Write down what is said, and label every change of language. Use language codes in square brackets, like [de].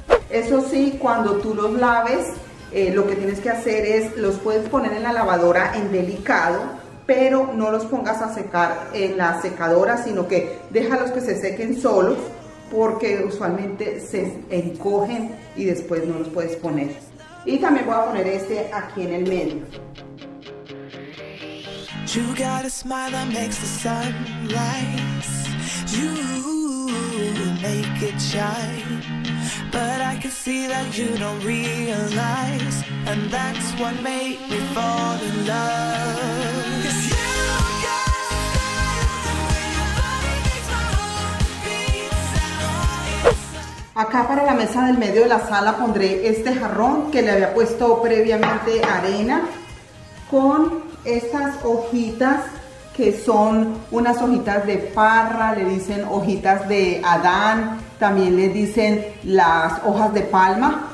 [es] Eso sí, cuando tú los laves, lo que tienes que hacer es, los puedes poner en la lavadora en delicado, pero no los pongas a secar en la secadora, sino que déjalos que se sequen solos, porque usualmente se encogen y después no los puedes poner. Y también voy a poner este aquí en el medio. [en] You got a smile that makes the sun rise. You make it shine. But I can see that you don't realize, and that's what made me fall in love. [es] Acá para la mesa del medio de la sala pondré este jarrón que le había puesto previamente arena con estas hojitas que son unas hojitas de parra, le dicen hojitas de Adán, también le dicen las hojas de palma.